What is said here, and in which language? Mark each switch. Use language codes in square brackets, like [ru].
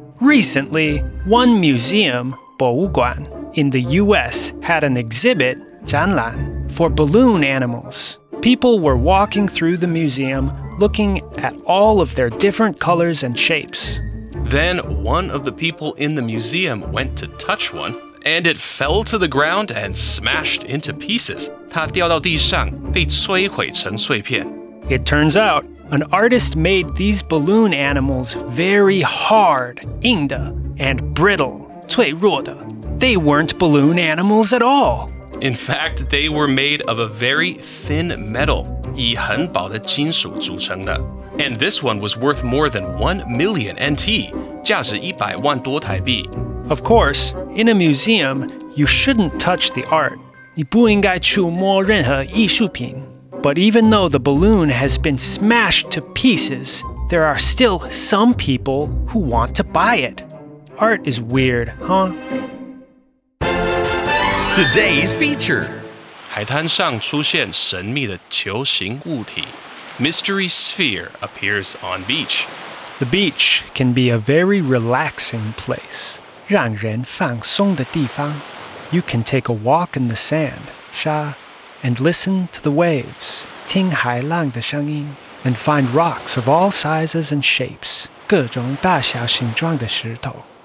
[en] Recently, one museum, 博物馆, in the US had an exhibit, 展览, for balloon animals. People were walking through the museum, looking at all of their different colors and shapes. Then one of the people in the museum went to touch one,And it fell to the ground and smashed into pieces. [zh] 它掉到地上，被摧毁成碎片。 [en] It turns out, an artist made these balloon animals very hard, 硬的, and brittle, 脆弱的。 They weren't balloon animals at all. In fact, they were made of a very thin metal, [zh] 以很薄的金属组成的。 [en] And this one was worth more than 1 million NT, [zh] 价值一百万多台币。 [en] Of course, in a museum, you shouldn't touch the art. [zh] 你不应该去摸任何艺术品。 [en] But even though the balloon has been smashed to pieces, there are still some people who want to buy it. Art is weird, huh? Today's feature. [zh] 海滩上出现神秘的球形物体。 [en] Mystery sphere appears on beach. The beach can be a very relaxing place. [zh] 讓人放鬆的地方 [en] You can take a walk in the sand, 沙, and listen to the waves, [zh] 听海浪的声音, [en] and find rocks of all sizes and shapes, [zh] 各种大小形状的石头。